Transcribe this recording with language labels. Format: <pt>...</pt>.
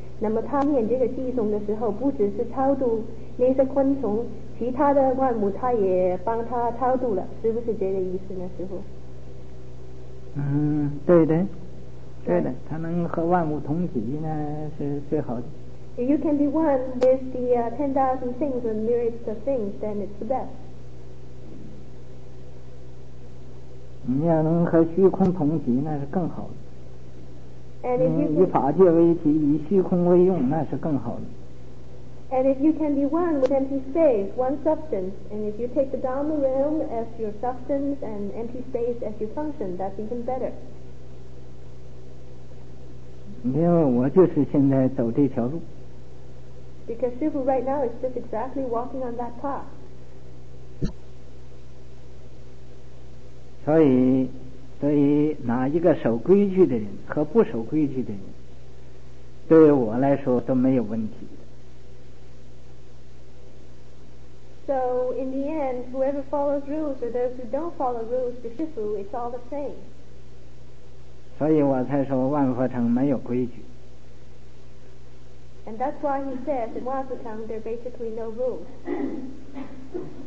<zh>那么他念这个偈颂的时候，不只是超度那些昆虫，其他的万物他也帮他超度了，是不是这个意思呢，师傅？嗯，对的，对的，他能和万物同体呢，是最好的。</zh> <en>If you can be one with the 10,000 things and myriads of things, then it's the best.</en> <zh>你要能和虚空同体，那是更好的。</zh> <en>And if you can,</en> <zh>以法界为体，以虚空为用，那是更好的。</zh> <en>And if you can be one with empty space, one substance, and if you take the Dharma realm as your substance and empty space as your function, that's even better.</en> <zh>因为我就是现在走这条路。</zh> <en>Because Shifu right now is just exactly walking on that path.</en> <zh>所以哪一个守规矩的人和不守规矩的人对于我来说都没有问题的。</zh> <en>So in the end, whoever follows rules or those who don't follow rules to Shifu, it's all the same.</en> <zh>所以我才说万佛城没有规矩。</zh> <en>And that's why he says in 万佛城 there are basically no rules.</en>